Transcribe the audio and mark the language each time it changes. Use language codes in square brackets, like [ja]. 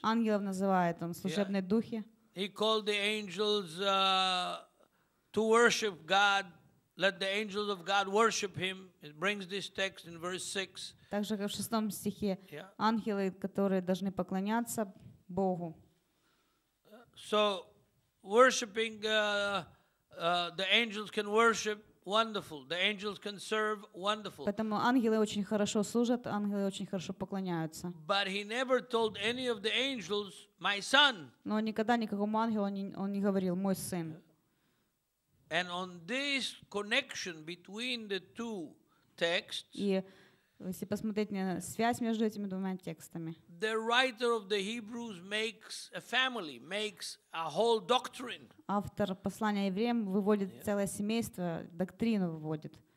[ru] Ангелов называет он служебные духи. [en] He called the angels to worship God Let the angels of God worship him. It brings this text in verse 6. [ru] Также в 6 стихе ангелы, которые должны поклоняться Богу. [en] So worshiping the angels can worship, wonderful. The angels can serve, wonderful. [ru] Поэтому ангелы очень хорошо служат, ангелы очень хорошо поклоняются. [en] But he never told any of the angels, my son. [ru] Но никогда никакому ангелу он не говорил, мой сын. [en] And on this connection between the two texts, [ru] и если посмотреть на связь между этими двумя текстами, [en] the writer of the Hebrews makes a family, makes a whole doctrine. [ru] Автор послания евреям выводит целое семейство, доктрину выводит.